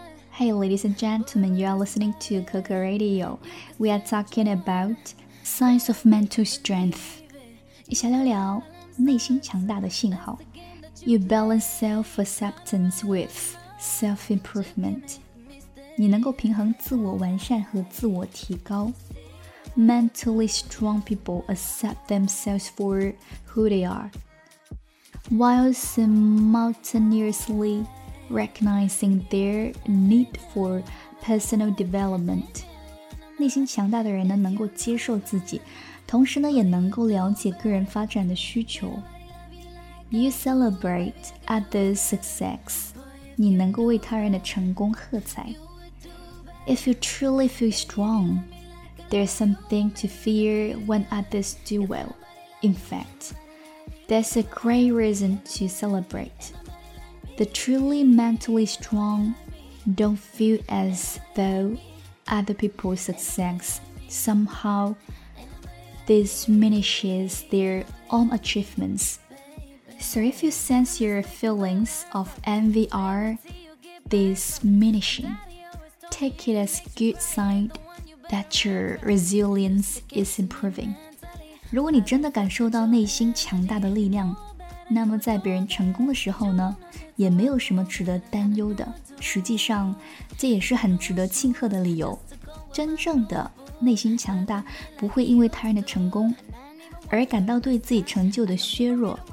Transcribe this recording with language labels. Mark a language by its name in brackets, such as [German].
[English] Hey, ladies and gentlemen, you are listening to Coco Radio. We are talking about signs of mental strength. [Chinese] 小聊聊内心强大的信号。 [English] You balance self-acceptance with self-improvement. [Chinese] 你能够平衡自我完善和自我提高。 [English] Mentally strong people accept themselves for who they are, while simultaneously recognizing their need for personal development. [Chinese] 内心强大的人呢，能够接受自己，同时呢，也能够了解个人发展的需求。 [English] You celebrate others' success. [Chinese] 你能够为他人的成功喝彩。 [English] If you truly feel strong, there's something to fear when others do well. In fact, there's a great reason to celebrate. The truly mentally strong don't feel as though other people's success somehow diminishes their own achievements. So if you sense your feelings of envy are diminishing, take it as a good sign that your resilience is improving. [Chinese] 如果你真的感受到内心强大的力量，那么在别人成功的时候呢，也没有什么值得担忧的。实际上，这也是很值得庆贺的理由。真正的内心强大，不会因为他人的成功而感到对自己成就的削弱。